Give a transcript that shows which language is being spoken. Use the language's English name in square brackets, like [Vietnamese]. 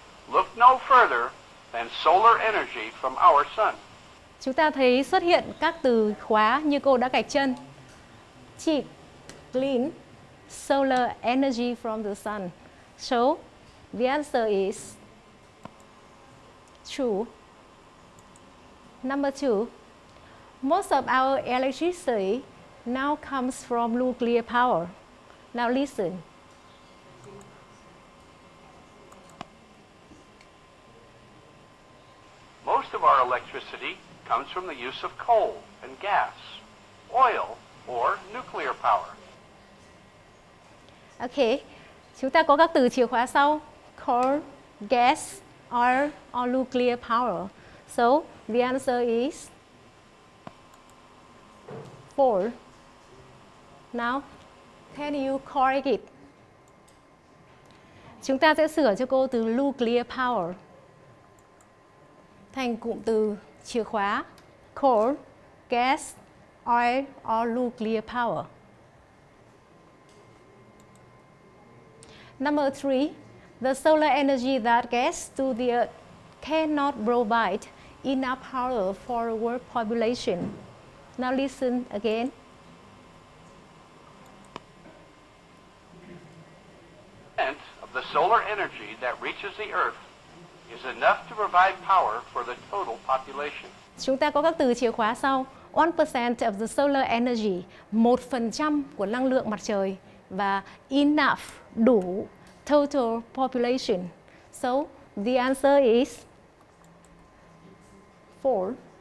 [English] Look no further than solar energy from our sun. [Vietnamese] Chúng ta thấy xuất hiện các từ khóa như cô đã gạch chân. [English] Cheap, clean, solar energy from the sun. So, the answer is true. Number two, most of our electricity now comes from nuclear power. Now listen. Most of our electricity comes from the use of coal and gas, oil, or nuclear power. [Vietnamese] Okay, chúng ta có các từ chìa khóa sau: [English] coal, gas, oil, or nuclear power. So the answer is four. Now, can you correct it? [Vietnamese] Chúng ta sẽ sửa cho cô từ nuclear power thành cụm từ chìa khóa [English] coal, gas, oil, or nuclear power. Number three, the solar energy that gets to the earth cannot provide enough power for the world population. Now listen again. The solar energy that reaches the earth is enough to provide power for the total population. [Vietnamese] Chúng ta có các từ chìa khóa sau: [English] 1% of the solar energy, [Vietnamese] 1% của năng lượng mặt trời, và enough, đủ, [English] total population. So the answer is 4.